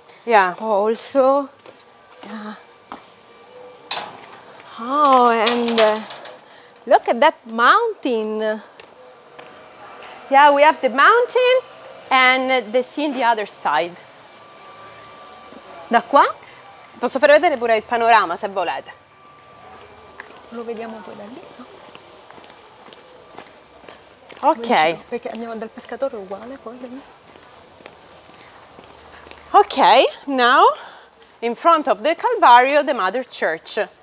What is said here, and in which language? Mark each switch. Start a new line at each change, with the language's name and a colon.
English: Yeah. Also. Oh, and look at that mountain. Yeah, we have the mountain and the sea on the other side.
Italian: Da qua? Posso far vedere pure il panorama, se volete. Lo vediamo poi da lì, no? Ok. Perché andiamo dal pescatore uguale poi da lì.
English: Ok, now in front of the Calvario, the Mother Church.